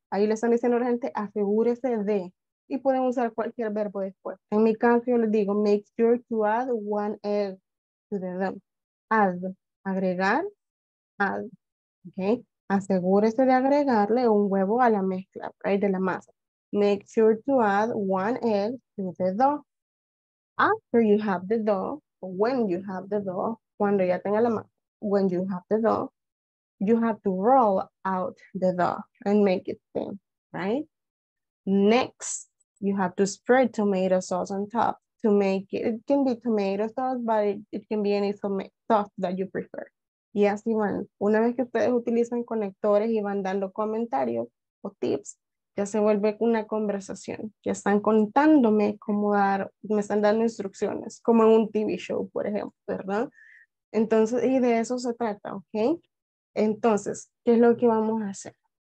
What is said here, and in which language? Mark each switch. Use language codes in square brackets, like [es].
[es] Ahí le están diciendo a la gente, asegúrese de. Y pueden usar cualquier verbo después. En mi caso yo les digo, [en] make sure to add one egg to the dough. [es] Add. Agregar. Add. Okay. Asegúrese de agregarle un huevo a la mezcla, right, de la masa. [en] Make sure to add one egg to the dough. After you have the dough, when you have the dough, [es] cuando ya tenga la masa, [en] when you have the dough, you have to roll out the dough and make it thin, right? Next, you have to spread tomato sauce on top to make it. It can be tomato sauce, but it can be any sauce that you prefer. [es] Y así van, una vez que ustedes utilizan conectores y van dando comentarios o tips, ya se vuelve una conversación. Ya están contándome cómo dar, me están dando instrucciones, como en un TV show, por ejemplo, ¿verdad? Entonces, y de eso se trata, ¿ok? Entonces, ¿qué es lo que vamos a hacer?